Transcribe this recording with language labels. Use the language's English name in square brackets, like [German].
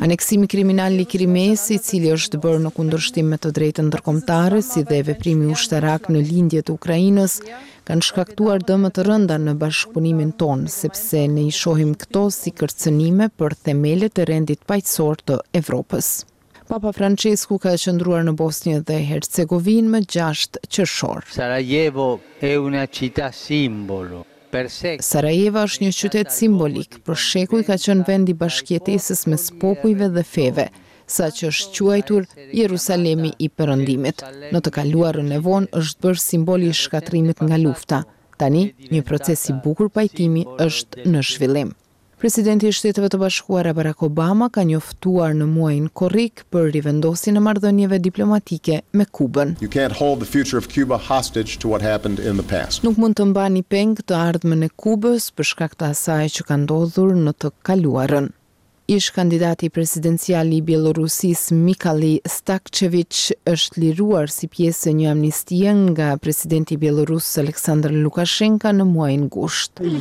[Albanian] Aneksimi kriminal i Krimes, i cili është bërë në kundërshtim me të drejtën ndërkombëtare, si dhe veprimi ushtarak në lindje të Ukrainës, kanë shkaktuar dëmë të rënda në bashkëpunimin tonë, sepse ne i shohim këto si kërcënime për themelet e rendit paqësor të Evropës. Papa Francesku ka qëndruar në Bosnjë dhe Hercegovinë më 6 qershor. [Italian] Sarajevo è una città simbolo. [Albanian] Sarajevo është një qytet simbolik, për shekuj ka qenë vendi bashkëjetesës mes popujve dhe feve, sa që është quajtur Jerusalemi i Perëndimit. Në të kaluarën e vonë është bërë simboli i shkatrimit nga lufta. Tani, një proces i bukur pajtimi është në zhvillim. Presidenti i Shteteve të Bashkuara Barack Obama ka njoftuar në muajin korrik për rivendosjen e marrëdhënieve diplomatike me Kubën. [English] You can't hold the future of Cuba hostage to what happened in the past. [Albanian] Nuk mund të mbani peng të ardhmen e Kubës për shkak të asaj që ka ndodhur në të kaluarën. Ish kandidati presidencial i Bielorusis Mikhali Stakcevich është liruar si pjesë një amnistie nga presidenti Bielorus Aleksandr Lukashenka në muajin gusht.